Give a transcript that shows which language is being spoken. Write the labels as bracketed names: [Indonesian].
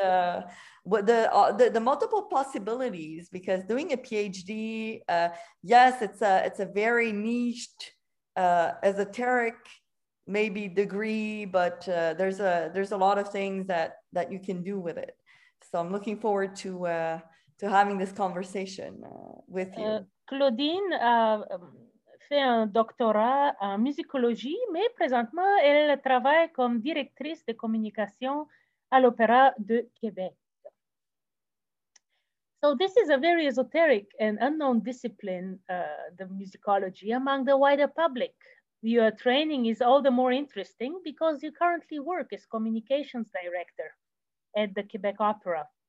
[English] And what the multiple possibilities, because doing a PhD, yes, it's a very niche esoteric maybe degree, but there's a lot of things that you can do with it. So I'm looking forward to having this conversation with you. [French] Claudine fait un doctorat en musicologie, mais présentement elle travaille comme directrice de communication à l'Opéra de Québec. [English] So this is a very esoteric and unknown discipline, the musicology, among the wider public. Your training is all the more interesting because you currently work as communications director at the Quebec Opera.